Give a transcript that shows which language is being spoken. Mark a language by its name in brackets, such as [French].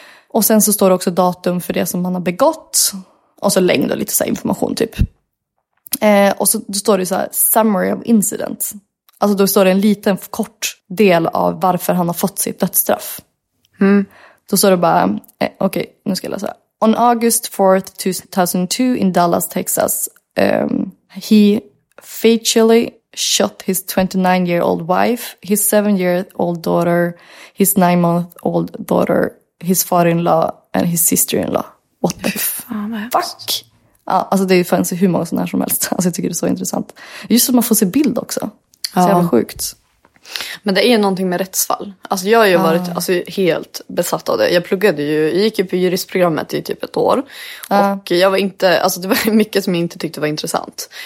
[Swedish] Och sen så står det också datum för det som han har begått. Och så längd och lite så här information typ. Och så då står det så här, [English] summary of incident. [Swedish] Alltså då står det en liten kort del av varför han har fått sitt dödsstraff. Mm. Då står det bara, nu ska jag läsa. [English] On August 4th, 2002 in Dallas, Texas, he fatally shot his 29-year-old wife, his 7-year-old daughter, his 9-month-old daughter, his father-in-law and his sister-in-law. What the fuck? [Swedish] Ja, alltså det fanns hur många sådana här som helst. Alltså jag tycker det är så intressant. Just att man får se bild också. Ja. Så jävla sjukt. Men det är någonting med rättsfall. Alltså jag har ju varit alltså helt besatt av det. Jag pluggade ju, jag gick ju på juristprogrammet i typ ett år. Och jag var inte, alltså det var mycket som jag inte tyckte var intressant.